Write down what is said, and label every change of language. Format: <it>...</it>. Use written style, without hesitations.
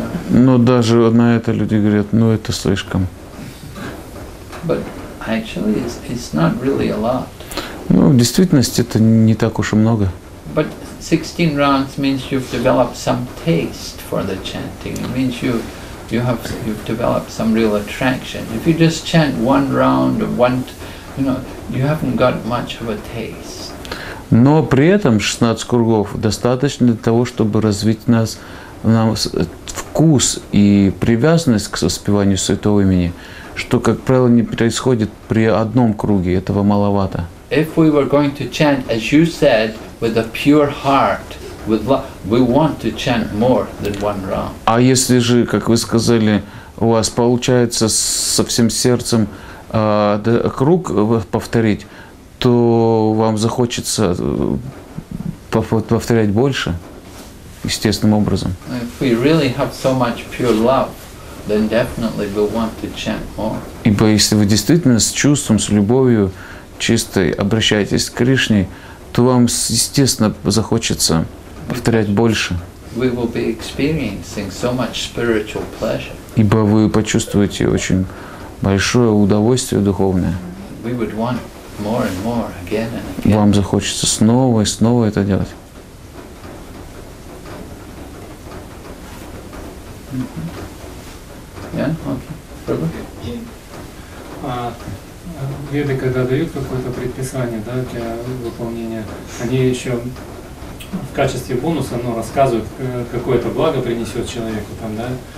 <ru>Но даже на это люди говорят, ну это слишком.</ru> <en>But actually it's not really a lot.</en> <ru>Ну, в действительности это не так уж и много.</ru> <en>But 16 rounds means you've developed some taste for the chanting. It means you've developed some real attraction. If you just chant one round or one, you know, you haven't got much of a taste.</en> <ru>Но при этом 16 кругов достаточно для того, чтобы развить нам вкус и привязанность к воспеванию святого имени, что, как правило, не происходит при одном круге, этого маловато.</ru> <en>If we were going to chant, as you said, with a pure heart, with love, we want to chant more than one round.</en> <ru>А если же, как вы сказали, у вас получается со всем сердцем круг повторить, то вам захочется повторять больше, естественным образом.</ru> <en>If we really have so much pure love, then definitely we want to chant more.</en> <ru>Ибо если вы действительно с чувством, с любовью чистой обращаетесь к Кришне, то вам, естественно, захочется повторять больше.</ru> <en>We will be experiencing so much spiritual pleasure.</en> <ru>Ибо вы почувствуете очень большое удовольствие духовное.</ru> <en>We would want more and more again and again.</en> <ru>Вам захочется снова и снова это делать. Mm-hmm.</ru> <en>Yeah? Okay.</en> <ru>Веды, когда дают какое-то предписание, да, для выполнения, они еще в качестве бонуса, ну, рассказывают, какое-то благо принесет человеку там, да.</ru>